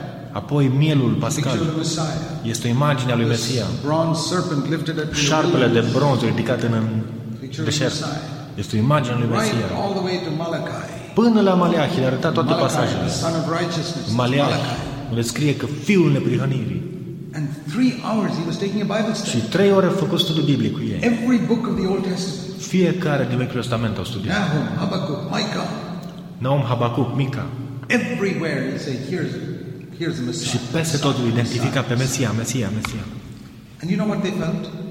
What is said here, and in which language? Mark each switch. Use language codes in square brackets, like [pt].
[ro] Apoi mielul pascal. Este o imagine a lui Mesia. Șarpele de bronz ridicat în deșert. Este o imagine a lui Mesia. Până la Maleahi, le-a arătat toate pasajele. Maleahi, unde scrie că fiul neprihănirii. [en] And 3 hours he was taking a Bible study. [ro] Și 3 ore a făcut studiu biblic cu ei. [en] Every book of the Old Testament. [ro] Fiecare din Vechiul Testament a studiat. [en] Nahum, Habacuc, Micah. [ro] Nahum, Habacuc, Micah. [en] Everywhere he said, here's the Messiah. [ro] Și peste tot îl identifica pe Mesia, Mesia, Mesia. [en] And you know what they felt?